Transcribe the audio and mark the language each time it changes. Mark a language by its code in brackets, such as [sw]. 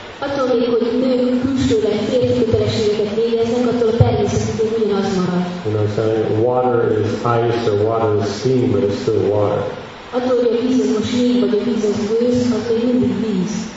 [hu] Attól még, hogy nők külsőleg férfi kötelességeket végeznek, attól a természetükön ugyanaz marad. [en] You know what I'm saying? Water is ice or water is steam, but it's still water. [hu] Attól, hogy a víz az most még, vagy a víz az gőz, attól mindig víz.